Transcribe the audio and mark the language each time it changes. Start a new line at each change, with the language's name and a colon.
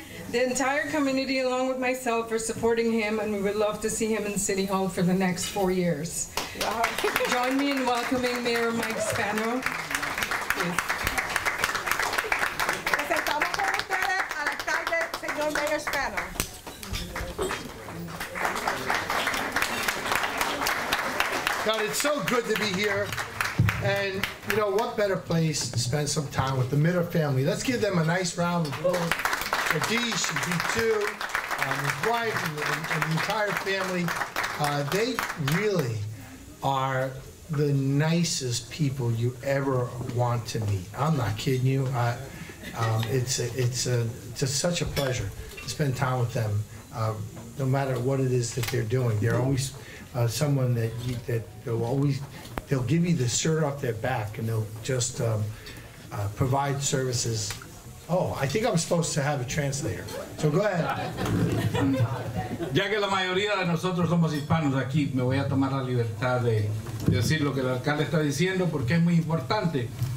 English: The entire community along with myself are supporting him and we would love to see him in City Hall for the next 4 years. Wow. Join me in welcoming Mayor Mike Spano.
Spanish: Presentamos con ustedes al alcalde, señor Mayor Spano.
English: God, it's so good to be here. And, you know, what better place to spend some time with the Metter family? Let's give them a nice round of applause. Adish and B2, his wife and the entire family. They really are the nicest people you ever want to meet. I'm not kidding you. It's just such a pleasure to spend time with them, no matter what it is that they're doing. They're always someone that they'll give you the shirt off their back, and they'll just provide services. Oh, I think I'm supposed to have a translator. So go ahead.
Spanish: Ya que la mayoría de nosotros somos hispanos aquí, me voy a tomar la libertad de decir lo que el alcalde está diciendo, porque es muy importante.